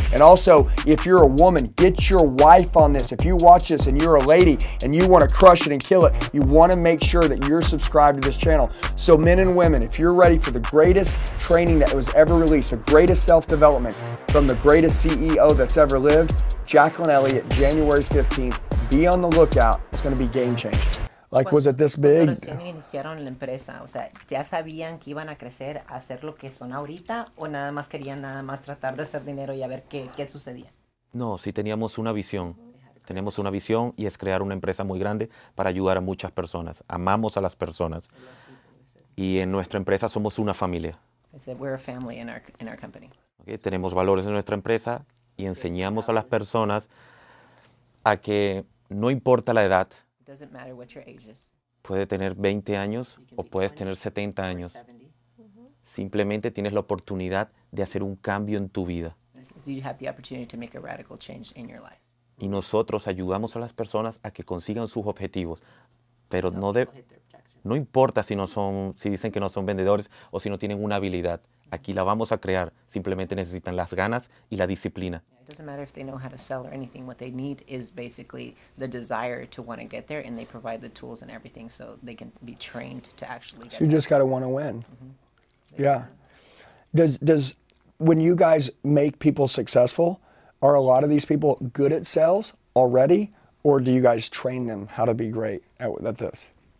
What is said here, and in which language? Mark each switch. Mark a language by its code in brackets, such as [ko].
[en] And also, if you're a woman, get your wife on this. If you watch this and you're a lady and you wanna crush it and kill it, you wanna make sure that you're subscribed to this channel. So men and women, if you're ready for the greatest training that was ever released, the greatest self-development from the greatest CEO that's ever lived, Jacqueline Elliott, January 15th. Be on the lookout. It's going to be game-changing. Like, was it this big? [es] Cuando iniciaron la empresa, o sea, ¿ya sabían que iban a crecer, a hacer lo que son ahorita, o nada más querían nada más tratar de hacer dinero y a ver qué sucedía? No, sí teníamos una visión. Tenemos una visión y es crear una empresa muy grande para ayudar a muchas personas. Amamos a las personas. Y en nuestra empresa somos una familia. [en] I said we're a family in our company. [es] Okay, tenemos valores en nuestra empresa y enseñamos a las personas a que no importa la edad. [en] It doesn't matter what your age is. [es] Puede tener 20 años o puedes tener 70 años. Simplemente tienes la oportunidad de hacer un cambio en tu vida. [en] You have the opportunity to make a radical change in your life. [es] Y nosotros ayudamos a las personas a que consigan sus objetivos, pero no de No importa si no son, si dicen que no son vendedores o si no tienen una habilidad. Aquí la vamos a crear. Simplemente necesitan las ganas y la disciplina. [en] It doesn't matter if they know how to sell or anything. What they need is basically the desire to want to get there, and they provide the tools and everything so they can be trained to actually get there. So you just got to want to win. Mm-hmm. Yeah. Does when you guys make people successful, are a lot of these people good at sales already, or do you guys train them how to be great at this?